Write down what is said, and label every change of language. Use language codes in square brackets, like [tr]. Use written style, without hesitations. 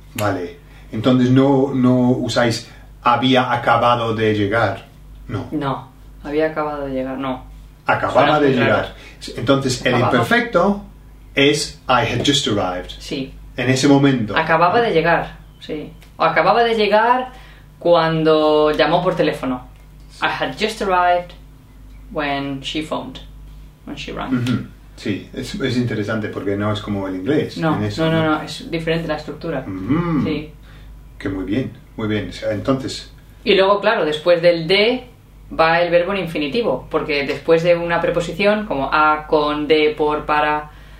[es] Vale, entonces no usáis había acabado de llegar, no. No, había acabado de llegar, no. Acababa de llegar. Raro. Entonces, acababa. El imperfecto es [en] I had just arrived. [es] Sí. En ese momento. Acababa de llegar, sí. O acababa de llegar cuando llamó por teléfono. Sí. [en] I had just arrived when she phoned, when she rang. Mm-hmm. [es] Sí, es interesante porque no es como el inglés. No, en eso, no, es diferente la estructura. Mm-hmm. Sí. Que muy bien, muy bien. Entonces. Y luego, claro, después del de va el verbo en infinitivo. Porque después de una preposición, como a, con, de, por, para,